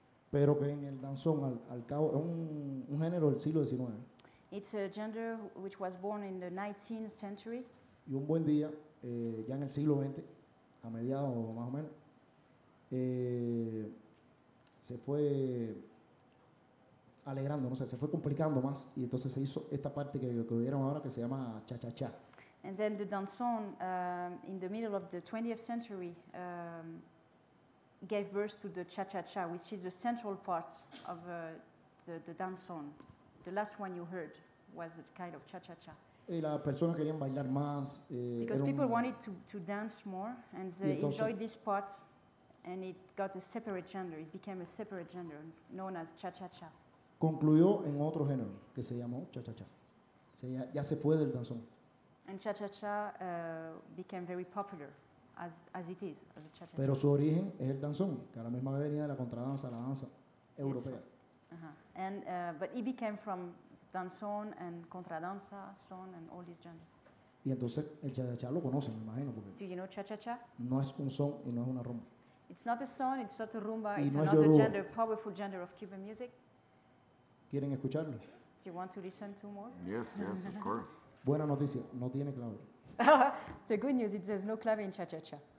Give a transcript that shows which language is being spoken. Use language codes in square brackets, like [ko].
[es] Pero que en el danzón al cabo es un género del siglo XIX. [en] It's a gender which was born in the 19th century. [es] Y un buen día, ya en el siglo XX, a mediados más o menos, se fue alegrando, no sé, se fue complicando más y entonces se hizo esta parte que vieron ahora que se llama cha cha cha. [en] And then the danzón, in the middle of the 20th century, gave birth to the cha-cha-cha, which is the central part of the danzón. The last one you heard was a kind of cha-cha-cha. [es] Y las personas querían bailar más. [en] Because people wanted to dance more, and they enjoyed this part, and it got a separate gender. It became a separate gender, known as cha-cha-cha. [es] Concluyó en otro género, que se llamó cha-cha-cha. O sea, ya se fue del danzón. [en] And cha-cha-cha became very popular, as it is. As a cha-cha-cha. [es] Pero su origen es el danzón, que a la misma vez venía de la contradanza, la danza europea. Uh-huh. [en] And but it became from danzón and contradanza, son and all these genres. [es] Y entonces el cha-cha-cha lo conocen, me imagino. [en] Do you know cha-cha-cha? [es] No es un son y no es una rumba. [en] It's not a son, it's not a rumba, [es] y [en] it's [es] no [en] another gender, powerful gender of Cuban music. [es] ¿Quieren escucharlo? [en] Do you want to listen to more? Yes, yes, of course. [es] Buena noticia, no tiene clave. [en] The good news is there's no clave in cha-cha-cha.